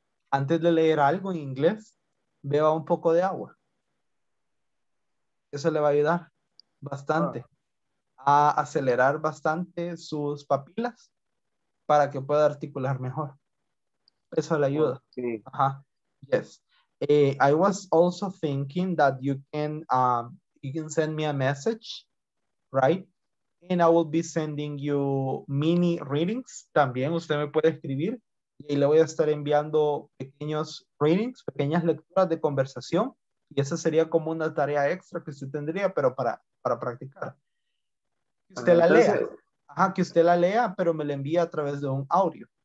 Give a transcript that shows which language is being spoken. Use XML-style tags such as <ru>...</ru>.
<es>Antes de leer algo en inglés, beba un poco de agua. Eso le va a ayudar bastante a acelerar bastante sus papilas para que pueda articular mejor. Eso le ayuda. Sí. Ajá. Yes.</es> <en>I was also thinking that you can send me a message, right? And I will be sending you mini readings.</en> <es>También usted me puede escribir y le voy a estar enviando pequeños readings, pequeñas lecturas de conversación. Y esa sería como una tarea extra que usted tendría, pero para practicar. Que usted la lea. Ajá, que usted la lea, pero me la envía a través de un audio.</es>